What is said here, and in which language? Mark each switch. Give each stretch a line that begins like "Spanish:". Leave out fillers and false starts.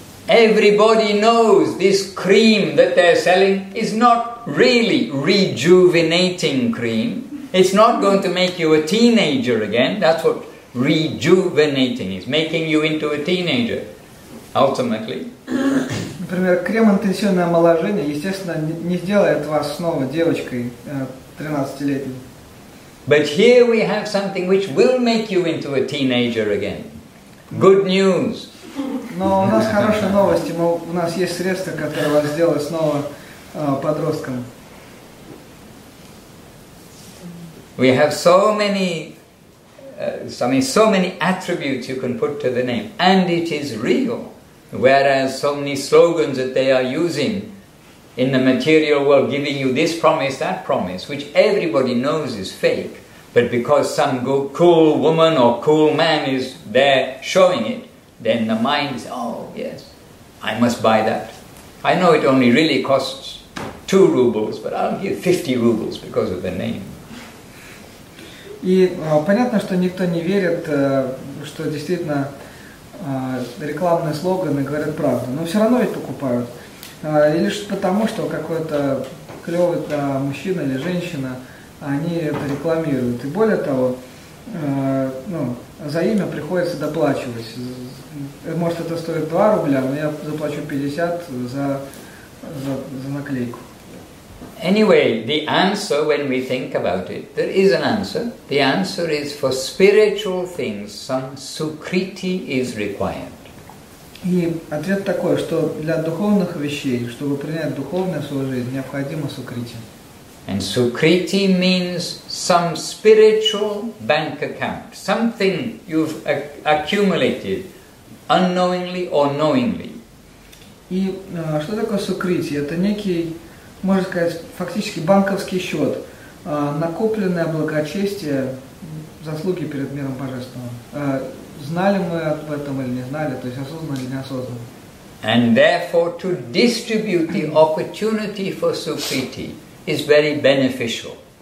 English: Everybody knows this cream that they're selling is not really rejuvenating cream. It's not going to make you a teenager again. That's what rejuvenating is, making you into a teenager, ultimately.
Russian: Например, крем интенсивное омоложение, естественно, не сделает вас снова девочкой 13-летней.
English: But here we have something which will make you into a teenager again. Good news.
Russian: Но у нас хорошие новости. У нас есть средства, которые вас сделают снова подростком.
English: We have so many so many attributes you can put to the name, and it is real. Whereas so many slogans that they are using in the material world, giving you this promise, that promise, which everybody knows is fake, but because some cool woman or cool man is there showing it, then the mind says, oh yes, I must buy that. I know it only really costs 2 rubles, but I'll give 50 rubles because of the name.
Russian: И понятно, что никто не верит, что действительно рекламные слоганы говорят правду, но все равно ведь покупают. И лишь потому, что какой-то клевый мужчина или женщина, они это рекламируют. И более того, ну, за имя приходится доплачивать. Может, это стоит 2 рубля, но я заплачу 50 за наклейку.
English: Anyway, the answer, when we think about it, there is an answer. The answer is for spiritual things, some sukriti is required.
Russian: И ответ такой, что для духовных вещей, чтобы принять духовное в свою жизнь, необходимо сукрити.
English: And sukriti means some spiritual bank account, something you've accumulated unknowingly or knowingly.
Russian: И что такое сукрити? Это некий, можно сказать, фактически банковский счет, накопленное благочестие, заслуги перед миром божественным. Знали мы об этом или не знали, то есть осознанно или неосознанно.
English: And therefore to distribute the opportunity for sukriti is very beneficial.